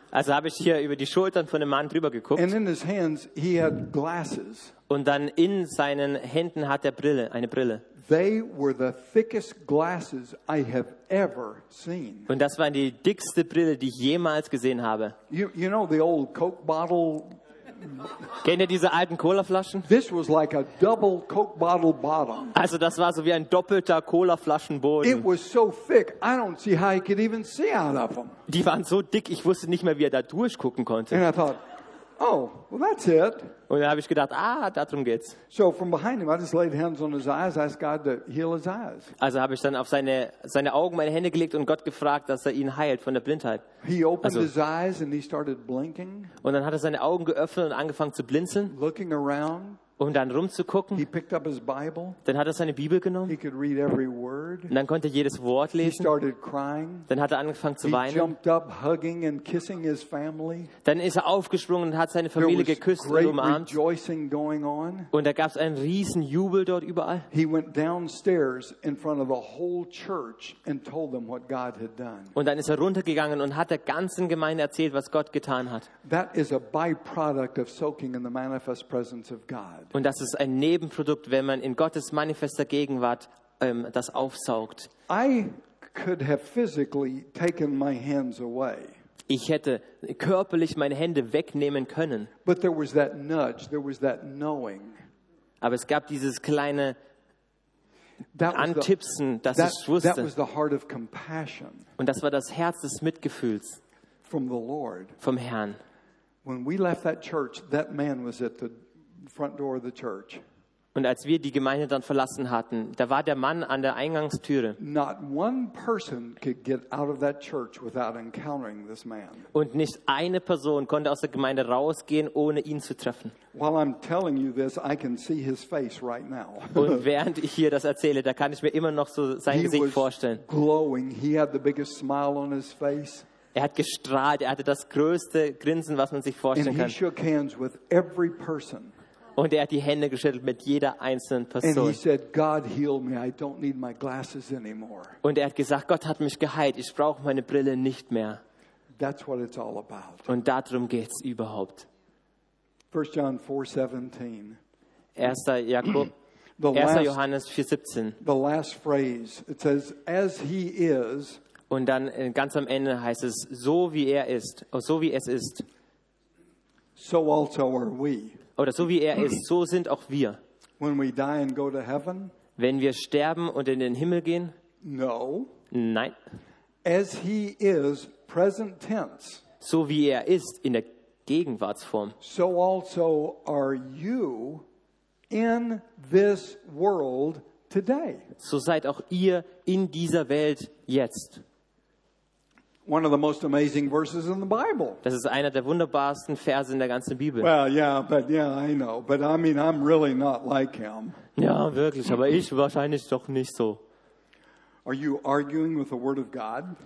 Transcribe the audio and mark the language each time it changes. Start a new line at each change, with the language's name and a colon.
German: Also habe ich hier über die Schultern von dem Mann drüber geguckt.
English: And in his hands he had glasses.
German: Und dann in seinen Händen hat er eine Brille.
English: They were the thickest glasses I have ever seen.
German: Und das waren die dickste Brille, die ich jemals gesehen habe.
English: You know the old Coke bottle.
German: Kennt ihr diese alten Cola-Flaschen?
English: This was like a double Coke bottle bottom.
German: Also das war so wie ein doppelter Cola-Flaschenboden.
English: It was so thick, I don't see how I could even see out of them.
German: Die waren so dick, ich wusste nicht mehr, wie er da durchgucken konnte.
English: And I thought, oh, well, that's it.
German: Und dann habe ich gedacht, darum geht's.
English: So from behind him, I just laid hands on his eyes, asked God to heal his eyes.
German: Also habe ich dann auf seine Augen meine Hände gelegt und Gott gefragt, dass er ihn heilt von der Blindheit.
English: He opened his eyes and he started blinking.
German: Und dann hat er seine Augen geöffnet und angefangen zu blinzeln.
English: Looking around.
German: Und dann rumzugucken.
English: He picked up his Bible.
German: Dann hat er seine Bibel genommen.
English: He could read every word.
German: Und dann konnte er jedes Wort lesen.
English: He started crying.
German: Dann hat er angefangen zu weinen.
English: He jumped up, hugging and kissing his family.
German: Dann ist er aufgesprungen und hat seine Familie geküsst
English: great
German: und umarmt.
English: Rejoicing going on.
German: Und da gab es einen riesen Jubel dort überall.
English: He went downstairs in front of the whole church and told them what God had done.
German: Und dann ist er runtergegangen und hat der ganzen Gemeinde erzählt, was Gott getan hat.
English: That is a byproduct of soaking in the manifest presence of God.
German: Und das ist ein Nebenprodukt, wenn man in Gottes manifester Gegenwart das aufsaugt.
English: I could have physically taken my hands away.
German: Ich hätte körperlich meine Hände wegnehmen können.
English: But there was that nudge, there was that knowing.
German: Aber es gab dieses kleine Antipsen, dass ich wusste.
English: That was the heart of compassion.
German: Und das war das Herz des Mitgefühls
English: from the Lord.
German: Vom Herrn.
English: When we left that church, that man was at the front door of the church.
German: Und als wir die Gemeinde dann verlassen hatten, da war der Mann an der Eingangstüre.
English: Not one person could get out of that church without encountering this man.
German: Und nicht eine Person konnte aus der Gemeinde rausgehen, ohne ihn zu treffen.
English: While I'm telling you this, I can see his face right now.
German: Und während ich hier das erzähle, da kann ich mir immer noch so sein Gesicht vorstellen.
English: He was glowing. He had the biggest smile on his face.
German: Er hat gestrahlt. Er hatte das größte Grinsen, was man sich vorstellen kann.
English: And he shook hands with every person.
German: Und er hat die Hände geschüttelt mit jeder einzelnen Person.
English: And he said, God, heal me. I don't need my glasses anymore.
German: Und er hat gesagt, Gott hat mich geheilt. Ich brauche meine Brille nicht mehr.
English: That's what it's all about.
German: Und darum geht's überhaupt.
English: 1 John 4:17.
German: Johannes 4:17.
English: The last phrase. It says, as he is.
German: Und dann ganz am Ende heißt es, so wie er ist, so wie es ist.
English: So also are we.
German: Oder so wie er ist, so sind auch wir.
English: When we die and go to heaven,
German: wenn wir sterben und in den Himmel gehen?
English: No.
German: Nein.
English: As he is, present tense.
German: So wie er ist in der Gegenwartsform.
English: So also are you in this world today.
German: So seid auch ihr in dieser Welt jetzt.
English: One of the most amazing verses in the Bible.
German: Das ist einer der wunderbarsten Verse in der ganzen Bibel.
English: Well, yeah, but yeah, I know. But I mean, I'm really not like him.
German: Ja, wirklich, aber ich wahrscheinlich doch nicht so.
English: Are you arguing with the Word of God?